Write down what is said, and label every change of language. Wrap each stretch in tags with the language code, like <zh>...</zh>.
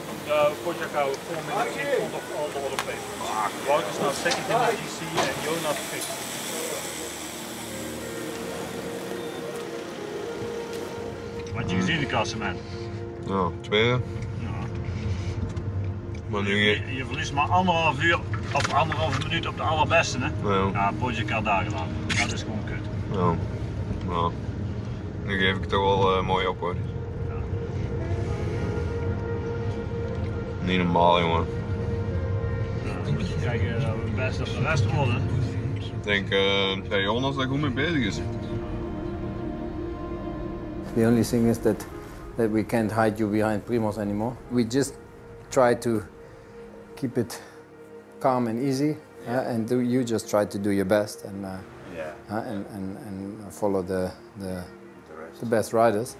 <en>Kotjakau 4 minutes in front of all the other players. Wout is now second in the GC and Jonas 5th.</en> <nl>Wat je gezien in de klasse, man? Nou, tweede. Ja. Maar nu... Je verliest maar anderhalf uur of anderhalve minuut op de allerbeste, hè? Ja. Ja, Pogacar daar gedaan. Dat is gewoon kut. Ja. Nou, nu geef ik het toch wel mooi op, hoor. Ja. Niet normaal, jongen. Ja, dan moet je kijken dat we het beste op de rest worden. Ik denk, Jonas daar goed mee bezig is.</nl> <en>The only thing is that we can't hide you behind Primoz anymore. We just try to keep it calm and easy, yeah. And you just try to do your best and and follow the best riders.</en>